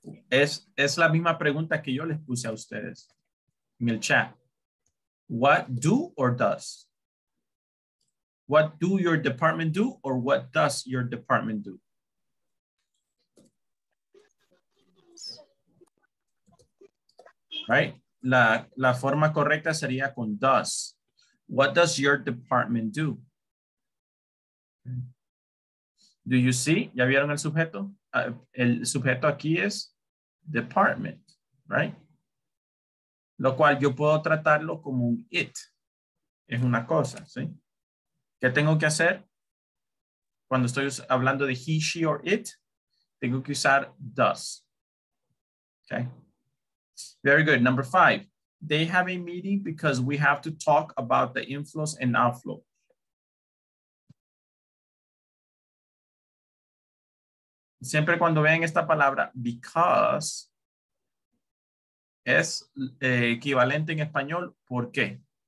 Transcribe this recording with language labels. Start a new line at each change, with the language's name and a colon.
Spanish: Es la misma pregunta que yo les puse a ustedes en el chat.
English: What do or does? What do your department do or what does your department do?
Spanish: Right? La forma correcta sería con does.
English: What does your department do? Do you see?
Spanish: ¿Ya vieron el sujeto? El sujeto aquí es department, right? Lo cual yo puedo tratarlo como un it. Es una cosa, ¿sí? ¿Qué tengo que hacer? Cuando estoy hablando de he, she, or it, tengo que usar does.
English: Okay. Very good. Number five. They have a meeting because we have to talk about the inflows and outflow.
Spanish: Siempre cuando vean esta palabra, because, es equivalente en español, ¿por qué?